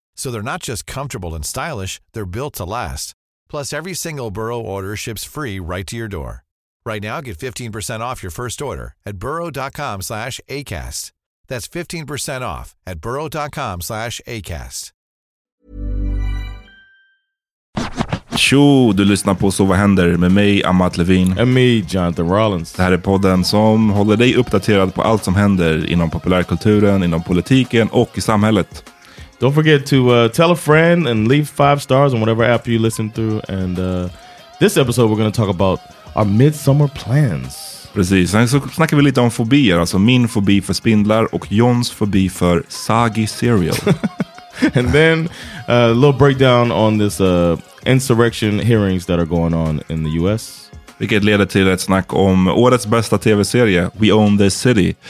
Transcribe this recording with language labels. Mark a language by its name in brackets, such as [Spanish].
[English] So they're not just comfortable and stylish, they're built to last. Plus, every single Burrow order ships free right to your door. Right now, get 15% off your first order at burrow.com/ACAST. That's 15% off at burrow.com/ACAST. [Swedish] Tjo, du lyssnar på Så vad händer med mig, Amat Levin. [English] And me, Jonathan Rollins. [Swedish] Det här är podden som håller dig uppdaterad på allt som händer inom populärkulturen, inom politiken och i samhället. [English] Don't forget to tell a friend and leave 5 stars on whatever app you listen through. And this episode we're going to talk about our midsummer plans. [Swedish] Precis, sen så snackar vi lite om fobier, alltså min fobi för spindlar och Jons fobi för [English] soggy cereal. And then a little breakdown on this insurrection hearings that are going on in the US. [Swedish] Vilket leder till ett snack om årets bästa tv-serie, We Own This City.